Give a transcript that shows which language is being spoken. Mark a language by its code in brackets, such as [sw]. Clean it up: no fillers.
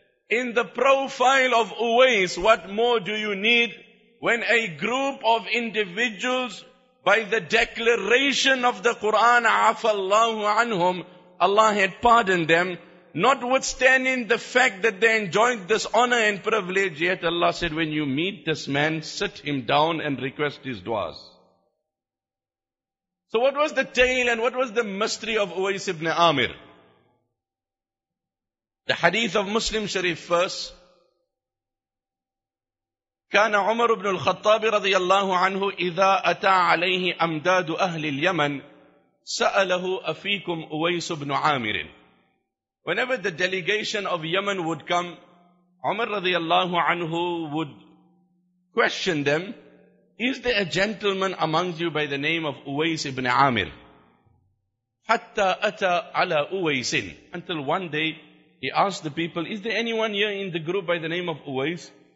[en] In the profile of Uwais, what more do you need when a group of individuals, by the declaration of the Quran, afallahu anhum, Allah had pardoned them, notwithstanding the fact that they enjoyed this honor and privilege, yet Allah said, when you meet this man, sit him down and request his du'as. So what was the tale and what was the mystery of Uwais ibn Amir? The hadith of Muslim Sharif first. [ar] كان عمر بن الخطاب رضي الله عنه إذا أتى عليه أمداد أهل اليمن سأله أفيكم أويس بن عامر. [en] Whenever the delegation of Yemen would come, Umar radiallahu anhu would question them, is there a gentleman amongst you by the name of Uwais ibn Amir? [ar] حتى أتى على أويس. [en] Until one day he asked the people, is there anyone here in the group by the name of Uwais?